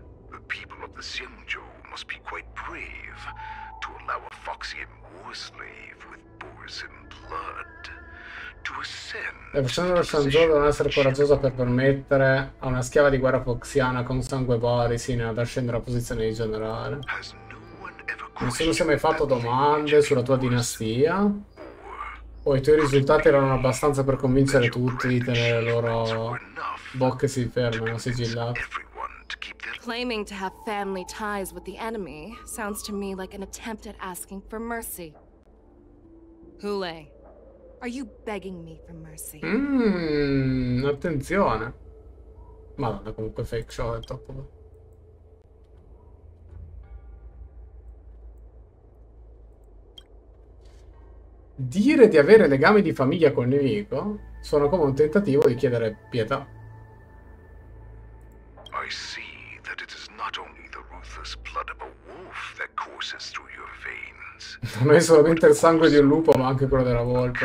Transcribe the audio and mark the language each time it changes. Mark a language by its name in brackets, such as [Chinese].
[English] The people of the Xingzhou must be quite brave to allow a Foxian war slave with Borzin blood to ascend. [Italian] La persona del Xingzhou deve essere coraggiosa per permettere a una schiava di guerra foxiana con sangue Borzin ad ascendere a posizione di generale. Nessuno si è mai fatto domande sulla tua dinastia? O i tuoi risultati erano abbastanza per convincere tutti di tenere le loro bocche si fermano, sigillate? [English] Claiming to have family ties with the enemy sounds to me like an attempt at asking for mercy. Hule, are you begging me for mercy? [Italian] Attenzione. Madonna, comunque [English] fake show [Italian] è troppo. Dire di avere legami di famiglia col nemico suona come un tentativo di chiedere pietà. [English] I see that it is not only the ruthless blood of a wolf that courses through your veins. [Italian] Non è solamente il sangue di un lupo, ma anche quello della volpe,